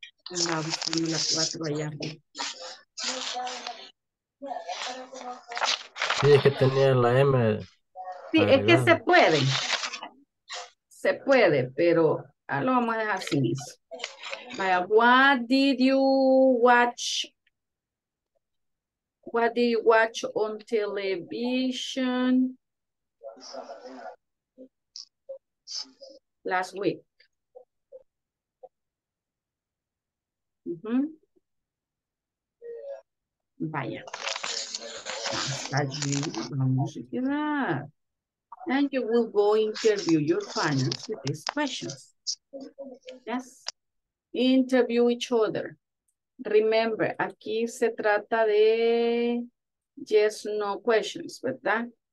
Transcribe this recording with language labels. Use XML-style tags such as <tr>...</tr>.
<es>La cuatro allá. Sí, es que tenía la M. Sí, es que se puede. Se puede, pero lo vamos a dejar sin eso.</es> <en>Vaya, what did you watch? What did you watch on television last week?</en> <es>Mm-hmm. Vaya. Allí, vamos a quedar.</es> <en>And you will go interview your partners with these questions. Yes. Interview each other. Remember,</en> <es>aquí se trata de</es> <en>yes, no questions,</en> <es>¿verdad?</es>